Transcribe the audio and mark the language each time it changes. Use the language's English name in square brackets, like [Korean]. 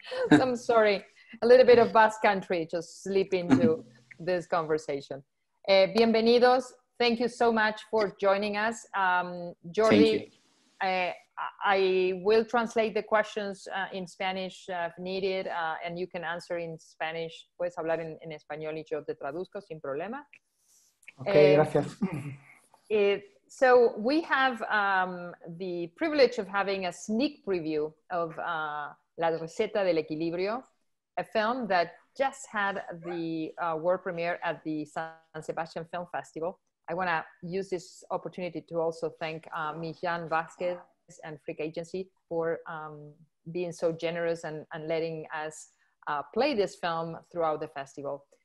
[English] I'm sorry, a little bit of Basque country just slip into this conversation. [Spanish] Bienvenidos, [English] thank you so much for joining us. Jordi, thank you. I will translate the questions in Spanish if needed, and you can answer in Spanish. [Spanish] Puedes hablar en español y yo te traduzco sin problema. Okay, gracias. [English] So we have the privilege of having a sneak preview of La Receta del Equilibrio, a film that just had the world premiere at the San Sebastian Film Festival. I want to use this opportunity to also thank Millán Vázquez and Freak Agency for being so generous and letting us play this film throughout the festival.